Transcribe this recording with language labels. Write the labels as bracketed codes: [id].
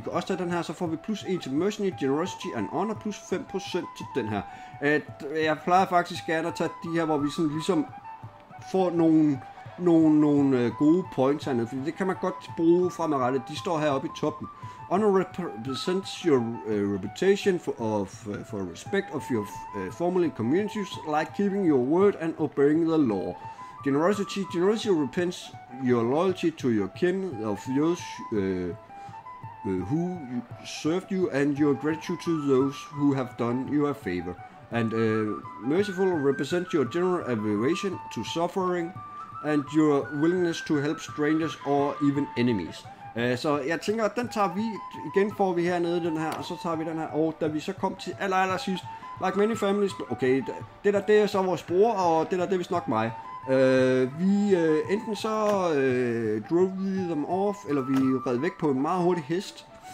[da] Vi kan også tage den her, så får vi plus 1 til [en] mercenary, generosity and honor, [da] plus 5% til den her. Jeg plejer faktisk gerne at tage de her, hvor vi sådan ligesom får nogle gode points hernede, for det kan man godt bruge fremadrettet. De står heroppe i toppen. [en] Honor represents your reputation for respect of your formerly communities, like keeping your word and obeying the law. Generosity repents your loyalty to your kin, of those who served you, and your gratitude to those who have done you a favor. And merciful represents your general aversion to suffering, and your willingness to help strangers or even enemies. [da] Så jeg tænker, at den tager vi, igen får vi hernede den her, og så tager vi den her, og da vi så kom til aller sidst, [en] like many families, [da] okay, det er så vores bror, og det er vist nok mig. Vi [en] drove them off, [da] eller vi red væk på en meget hurtig hest.